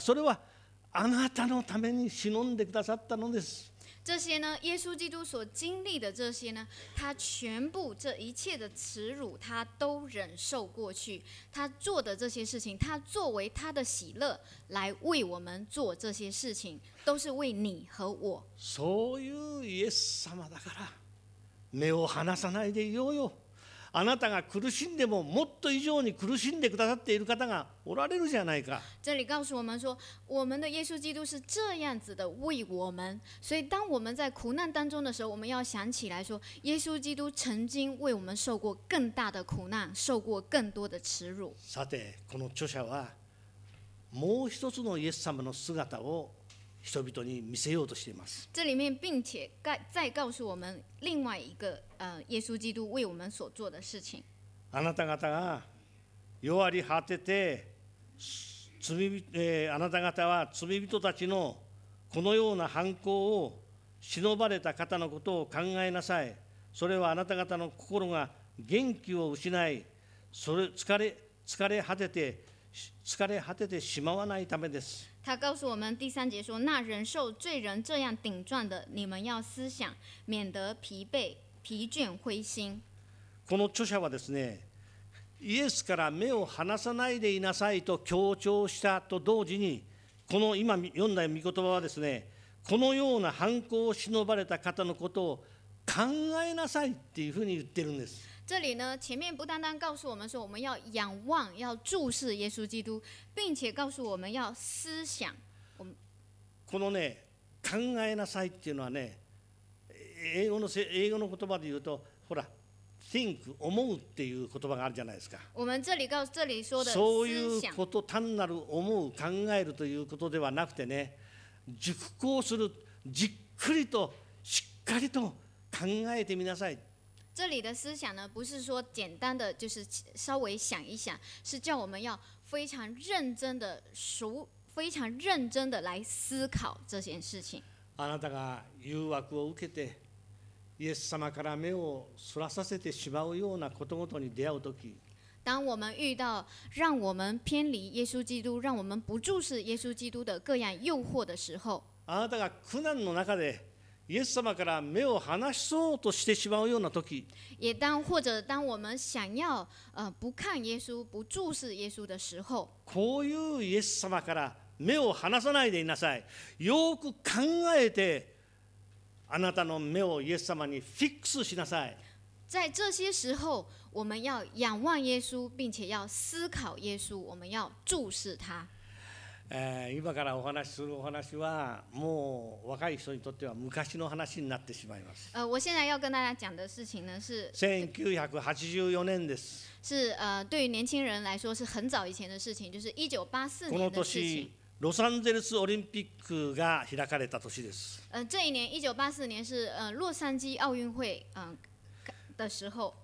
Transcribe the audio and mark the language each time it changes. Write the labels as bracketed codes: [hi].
[ja] それはあなたのために忍んでくださったのです。 [zh] 这些呢，耶稣基督所经历的这些呢，他全部这一切的耻辱他都忍受过去，他做的这些事情，他作为他的喜乐来为我们做这些事情，都是为你和我。 [ja] そういうイエス様だから目を離さないでいようよ。あなたが苦しんでも、もっと以上に苦しんでくださっている方がおられるじゃないか。 [zh] 这里告诉我们说，我们的耶稣基督是这样子的为我们，所以当我们在苦难当中的时候，我们要想起来说，耶稣基督曾经为我们受过更大的苦难，受过更多的耻辱。 [ja] さて、この著者はもう一つのイエス様の姿を人々に見せようとしています。 [zh] 这里面并且再告诉我们另外一个耶稣基督为我们所做的事情。 [ja] あなた方が弱り果てて罪、あなた方は罪人たちのこのような犯行を忍ばれた方のことを考えなさい。それはあなた方の心が元気を失い、それ疲れ果ててしまわないためです。 [zh] 他告诉我们第三节说，那人受罪人这样顶撞的，你们要思想，免得疲惫、疲倦、灰心。 [ja] この著者はですね、イエスから目を離さないでいなさいと強調したと同時に、この今読んだ御言葉はですね、このような犯行を忍ばれた方のことを考えなさいっていうふうに言ってるんです。 [zh] 这里呢，前面不单单告诉我们说我们要仰望、要注视耶稣基督，并且告诉我们要思想。我们 [ja] このね、考えなさいっていうのはね、英語の言葉で言うと、ほら、think、思うっていう言葉があるじゃないですか。 [zh] 我们这里说的思 [ja] 想、そういうこと、単なる思う、考えるということではなくてね、熟考する、じっくりとしっかりと考えてみなさい。 [zh] 这里的思想呢，不是说简单的，就是稍微想一想，是叫我们要非常认真的熟，非常认真的来思考这件事情。 [ja] あなたが誘惑を受けて、イエス様から目をそらさせてしまうようなことごとに出会うとき、 [zh] 当我们遇到让我们偏离耶稣基督、让我们不注视耶稣基督的各样诱惑的时候、 [ja] あなたが苦難の中でイエス様から目を離しそうとしてしまうような時、 [zh] 也当或者当我们想要不看耶稣、不注视耶稣的时候、 [ja] こういうイエス様から目を離さないでいなさい。よく考えてあなたの目をイエス様にフィックスしなさい。 [zh] 在这些时候，我们要仰望耶稣，并且要思考耶稣，我们要注视他。 [ja] 今からお話しするお話はもう若い人にとっては昔の話になってしまいます。 [zh] 我现在要跟大家讲的事情呢是 [ja] 1984年です。 [zh] 是对于年轻人来说是很早以前的事情，就是1984年的事情。 [ja] この年ロサンゼルスオリンピックが開かれた年です。 [zh] 这一年1984年是洛杉矶奥运会的时候。